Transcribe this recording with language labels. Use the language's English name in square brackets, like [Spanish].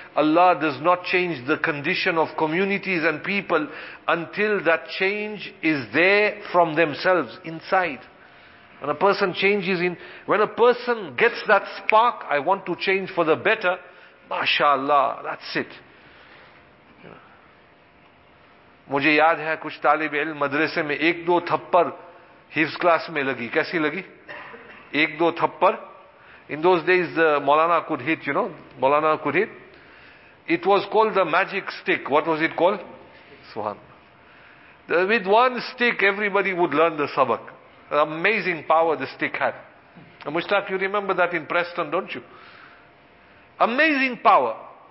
[English] Allah does not change the condition of communities and people until that change is there from themselves, inside. When a person changes in, when a person gets that spark, I want to change for the better, mashallah, that's it. [Urdu] مجھے یاد ہے کچھ طالب علم مدرسہ میں ایک دو تھپڑ [English] his class [Urdu] میں لگی۔ کیسی لگی؟ ایک دو تھپڑ۔ [English] In those days, Maulana could hit, you know, Maulana could hit. It was called the magic stick. What was it called? Swan. With one stick, everybody would learn the sabak. Amazing power the stick had. Mushtaq, you remember that in Preston, don't you? Amazing power.